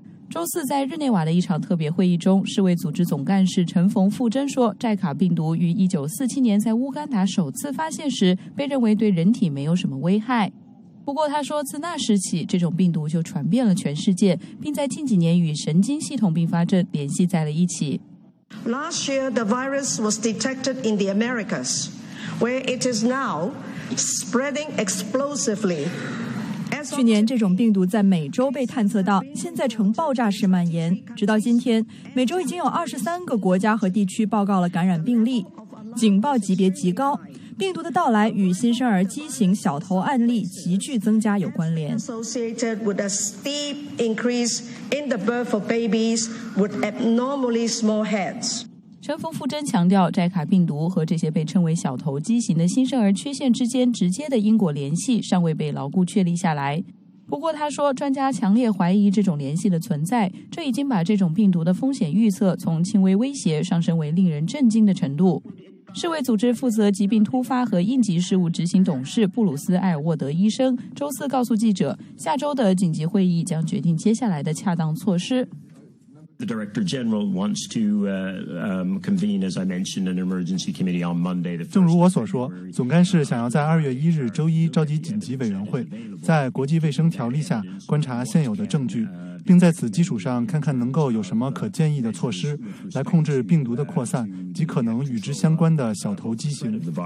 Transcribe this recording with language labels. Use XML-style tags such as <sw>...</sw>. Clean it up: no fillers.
<zh>周四在日内瓦的一场特别会议中，世卫组织总干事陈冯富珍说，寨卡病毒于1947年在乌干达首次发现时被认为对人体没有什么危害。不过他说，自那时起，这种病毒就传遍了全世界，并在近几年与神经系统并发症联系在了一起。</zh> <en>Last year, the virus was detected in the Americas, where it is now spreading explosively.</en> <zh>去年这种病毒在美洲被探测到，现在呈爆炸式蔓延。直到今天，美洲已经有23个国家和地区报告了感染病例，警报级别极高。病毒的到来与新生儿畸形小头案例急剧增加有关联。</zh> <en>Associated with a steep increase in the birth of babies with abnormally small heads.</en> <zh>陈冯富珍强调，寨卡病毒和这些被称为小头畸形的新生儿缺陷之间直接的因果联系尚未被牢固确立下来。不过他说，专家强烈怀疑这种联系的存在，这已经把这种病毒的风险预测从轻微威胁上升为令人震惊的程度。世卫组织负责疾病突发和应急事务执行董事布鲁斯·艾尔沃德医生周四告诉记者，下周的紧急会议将决定接下来的恰当措施。</zh> <en>The Director General wants to convene, as I mentioned, an emergency committee on Monday.</en> <zh>正如我所说，总干事想要在2月1日周一召集紧急委员会，在国际卫生条例下观察现有的证据，并在此基础上看看能够有什么可建议的措施来控制病毒的扩散及可能与之相关的小头畸形。</zh>